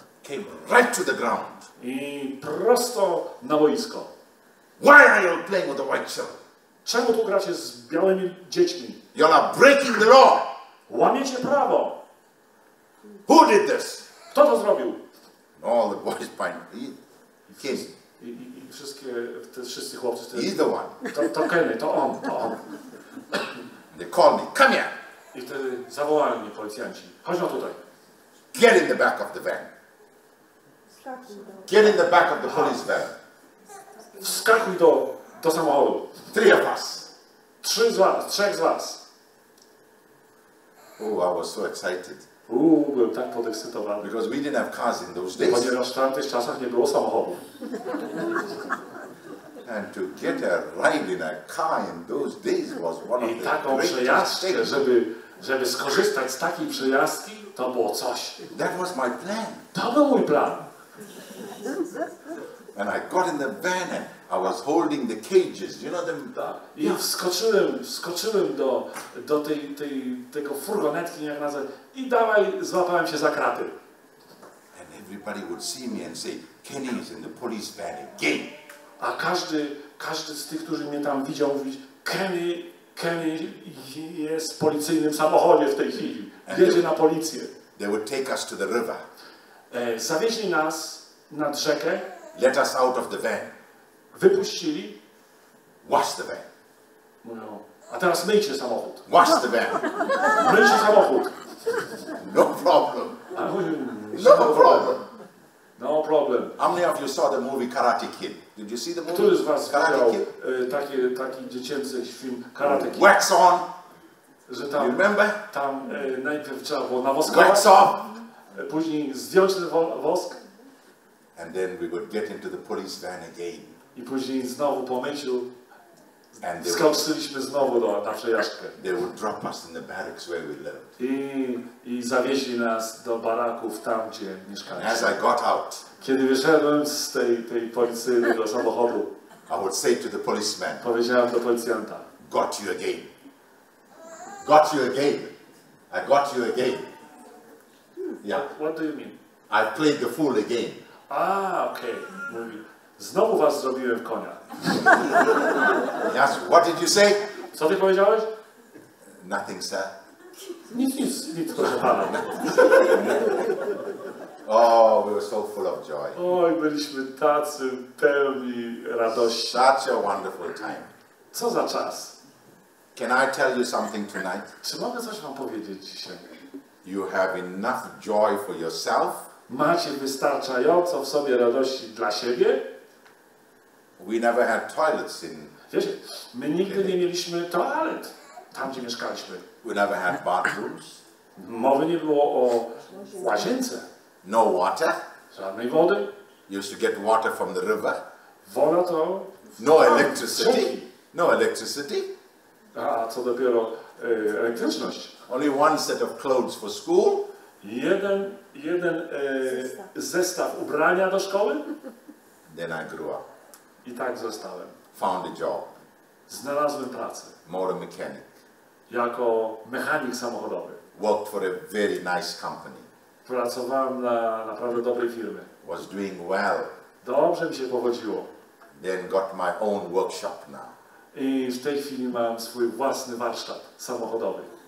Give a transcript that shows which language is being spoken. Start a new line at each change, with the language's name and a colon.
English: Came right to the ground.
Polish: I prosto na boisko.
English: Why are you playing with the white children?
Polish: Czemu tu gracie z białymi dziećmi?
English: You're breaking the law.
Polish: Łamiecie prawo.
English: Who did this?
Polish: Kto to zrobił?
English: All the boys finally. Kenny.
Polish: I wszystkie, te wszyscy chłopcy.
English: Ten, he's the one.
Polish: To Kenny, to on. They call me, come here. I wtedy zawołali mnie policjanci. Chodź na tutaj.
English: Get in the back of the van. Get in the back of the police van.
Polish: Wskakuj do samochodu.
English: Three of us.
Polish: Trzech z was.
English: Oh, I was so excited.
Polish: Byłem tak podekscytowany.
English: Because we didn't have cars in those days.
Polish: Ponieważ w tamtych czasach nie było samochodu.
English: And to get a ride in a car in those days was one of the greatest things.
Polish: I taką przejażdżkę, żeby skorzystać z takiej przejażdżki, to było coś.
English: That was my plan.
Polish: To był mój plan.
English: And I got in the van and I was holding the cages, you know them.
Polish: I wskoczyłem do tego furgonetki, jak nazwę, i dawaj złapałem się za kraty.
English: And everybody would see me and say, Kenny is in the police van again.
Polish: A każdy z tych, którzy mnie tam widział, mówić, Kenny jest w policyjnym samochodzie w tej chwili. Jedzie na policję.
English: They would take us to the river.
Polish: Zawieźli nas nad rzekę.
English: Let us out of the van.
Polish: Wypuścili.
English: Wash the van.
Polish: No, a teraz myjcie samochód.
English: Wash the van.
Polish: Myjcie samochód.
English: No problem. No problem. No problem. How many of you saw the movie Karate Kid? Did you see the movie?
Polish: Który z was widział taki dziecięcy film Karate Kid?
English: Wax on.
Polish: Że tam,
English: you remember?
Polish: Tam najpierw trzeba było nawoskować.
English: Wax on.
Polish: Później zdjąć ten wosk.
English: And then we would get into the police van again.
Polish: I później znowu po myciu skoczyliśmy znowu na przejażdżkę.
English: They would drop us in the barracks where we lived.
Polish: I zawieźli nas do baraków tam, gdzie mieszkaliśmy.
English: As I got out,
Polish: kiedy wyszedłem z tej policyjnego samochodu,
English: I would say to the policeman,
Polish: powiedziałem do policjanta,
English: got you again. Got you again. I got you again. Yeah. What do you mean? I played the fool again.
Polish: Okay. Mówi. Znowu was zrobiłem konia.
English: Yes, what did you say?
Polish: Co ty powiedziałeś?
English: Nothing, sir.
Polish: Nic, proszę pana.
English: Oh, we were so full of joy.
Polish: Oj, byliśmy tacy pełni radości.
English: Such a wonderful time.
Polish: Co za czas.
English: Can I tell you something tonight?
Polish: Czy mogę coś wam powiedzieć dzisiaj?
English: You have enough joy for yourself.
Polish: Macie wystarczająco w sobie radości dla siebie.
English: We never had toilets in.
Polish: Wiecie, my nigdy nie mieliśmy toalet tam, gdzie mieszkaliśmy.
English: We never had bathrooms.
Polish: Mowy nie było o łazience.
English: No water.
Polish: Żadnej wody.
English: Used to get water from the river.
Polish: Woda to.
English: No electricity. No electricity.
Polish: A co dopiero elektryczność.
English: Only one set of clothes for school.
Polish: Jeden zestaw ubrania do szkoły.
English: Then I grew up.
Polish: I tak zostałem.
English: Found a job.
Polish: Znalazłem pracę.
English: Motor mechanic.
Polish: Jako mechanik samochodowy.
English: Worked for a very nice company.
Polish: Pracowałem na naprawdę dobrej firmie.
English: Was doing well.
Polish: Dobrze mi się powodziło.
English: Then got my own workshop now.
Polish: I w tej chwili mam swój własny warsztat samochodowy.